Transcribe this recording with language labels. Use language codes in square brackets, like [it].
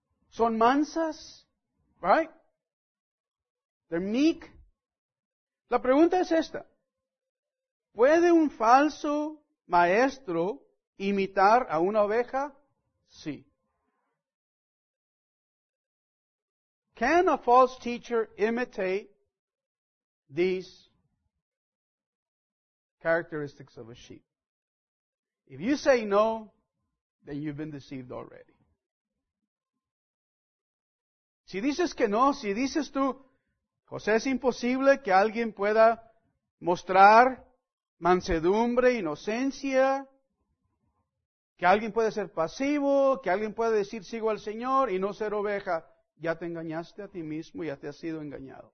[es] ¿Son mansas? [en] Right? They're meek. [es] La pregunta es esta. ¿Puede un falso maestro imitar a una oveja? Sí. [en] Can a false teacher imitate these characteristics of a sheep? If you say no, then you've been deceived already. [es] Si dices que no, si dices tú, José, es imposible que alguien pueda mostrar mansedumbre, inocencia, que alguien puede ser pasivo, que alguien puede decir sigo al Señor y no ser oveja, ya te engañaste a ti mismo, ya te has sido engañado.